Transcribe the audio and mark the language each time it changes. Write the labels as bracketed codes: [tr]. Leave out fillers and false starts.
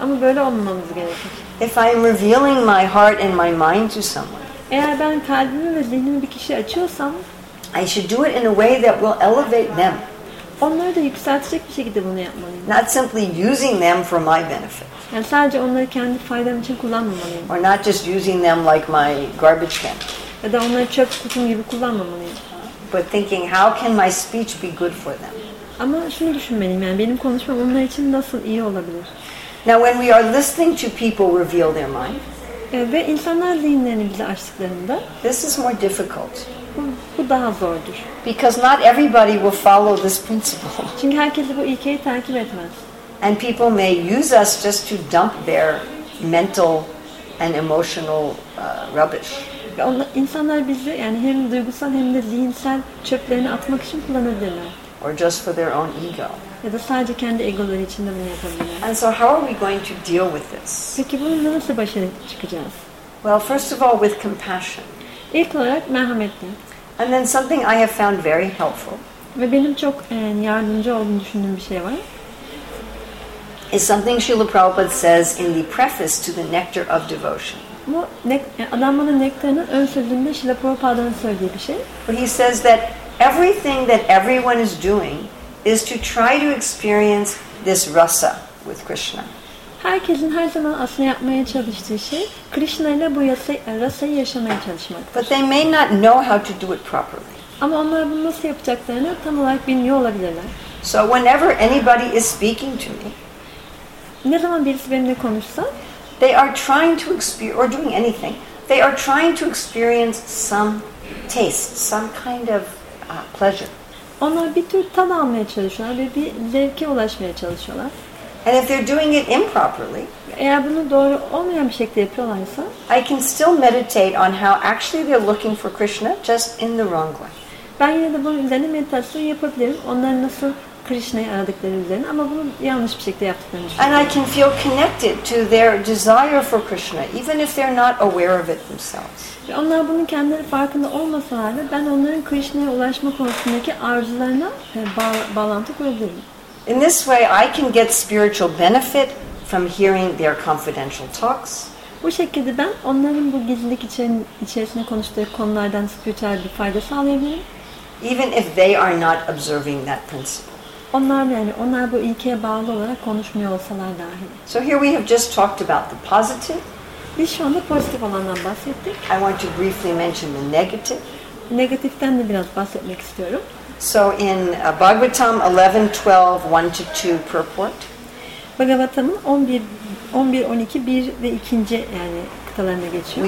[tr] Ama böyle olmamamız gerekir. [en] If I'm revealing my heart and my mind to someone, [tr] eğer ben kalbimi ve zihnimi bir kişiye açıyorsam, [en] I should do it in a way that will elevate them. [tr] Onları da yükseltecek bir şekilde bunu yapmalıyım. [en] Not simply using them for my benefit. [tr] Yani sadece onları kendi faydam için kullanmamalıyım. [en] Or not just using them like my garbage can. [tr] Ya da onları çöp kutum gibi kullanmamalıyım. [en] But thinking, how can my speech be good for them? [tr] Ama şunu düşünmeliyim, yani benim konuşmam onlar için nasıl iyi olabilir? [en] Now when we are listening to people reveal their mind, [tr] ve insanlar zihinlerini bize açtıklarında, [en] this is more difficult. [tr] Bu daha zordur. [en] Because not everybody will follow this principle. [tr] Çünkü herkes bu ilkeyi takip etmez. [en] And people may use us just to dump their mental and emotional rubbish. [tr] İnsanlar bizi yani hem duygusal hem de zihinsel çöplerini atmak için kullanabilirler. [en] Or just for their own ego. [tr] Ya da sadece kendi egoları için de bunu yapabilirler. [en] And so how are we going to deal with this? [tr] Peki bununla nasıl baş çıkacağız? [en] Well, first of all, with compassion. [tr] İlk olarak merhametle. [en] And then something I have found very helpful. [tr] Ve benim çok yardımcı olduğunu düşündüğüm bir şey var. [en] Is something Srila Prabhupada says in the preface to the Nectar of Devotion. [tr] Bu Adamın Nektarının ön sözünde Srila Prabhupada'nın söylediği bir şey. [en] He says that everything that everyone is doing is to try to experience this rasa with Krishna. [tr] Herkesin her zaman aslında yapmaya çalıştığı şey Krishna ile bu rasayı yaşamaya çalışmaktır. [en] But they may not know how to do it properly. [tr] Ama onlar bunu nasıl yapacaklarını tam olarak bilmiyor olabilirler. [en] So whenever anybody is speaking to me, [tr] ne zaman birisi benimle konuşsa, [en] they are trying to experience or doing anything. They are trying to experience some taste, some kind of pleasure. [tr] Onlar bir tür tad almaya çalışıyorlar ve bir zevke ulaşmaya çalışıyorlar. [en] And if they're doing it improperly, [tr] eğer bunu doğru olmayan bir şekilde yapıyorlarsa, [en] I can still meditate on how actually they're looking for Krishna just in the wrong way. [tr] Ben yine de bunun üzerine meditasyon yapabilirim. Onların nasıl Krishna'yı aradıklarını üzerine ama bunu yanlış bir şekilde yaptıklarını düşünüyorum. [en] And I can feel connected to their desire for Krishna even if they're not aware of it themselves. [tr] Ve onlar bunun kendileri farkında olmasa halde ben onların Krishna'ya ulaşma konusundaki arzularına bağlantı kurabilirim. [en] In this way I can get spiritual benefit from hearing their confidential talks. [tr] Bu şekilde ben onların bu gizlilik içerisinde konuştukları konulardan spiritual bir fayda sağlayabilirim. [en] Even if they are not observing that principle. [tr] Onlar yani onlar bu ilkeye bağlı olarak konuşmuyor olsalar dahi. [en] So here we have just talked about the positive. [tr] Biz şu anda pozitif olandan bahsettik. [en] I want to briefly mention the negative. [tr] Negatiften de biraz bahsetmek istiyorum. [en] So in Bhagavatam 11:12, 1-2 purport. [tr] Bhagavatam'ın 11, 12, 1 ve 2. yani kıtalarına geçiyor.